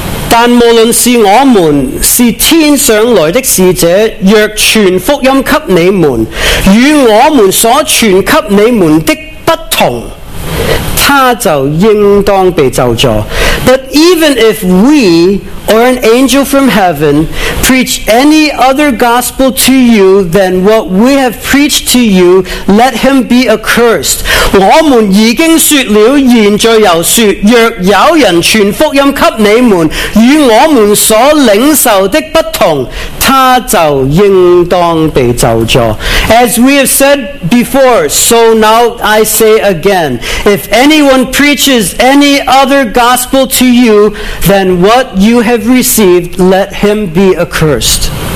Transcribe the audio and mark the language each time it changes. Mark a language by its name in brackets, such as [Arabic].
[Chinese] 但无论是我们是天上来的使者，若传福音给你们，与我们所传给你们的不同，他就应当被咒诅。 [English] But even if we or an angel from heaven preach any other gospel to you than what we have preached to you, let him be accursed. [Chinese] 我们已经说了，现在又说，若有人传福音给你们，与我们所领受的不同，他就应当被咒诅。 [English] As we have said before, so now I say again, if anyone preaches any other gospel to you than what you have received, let him be accursed.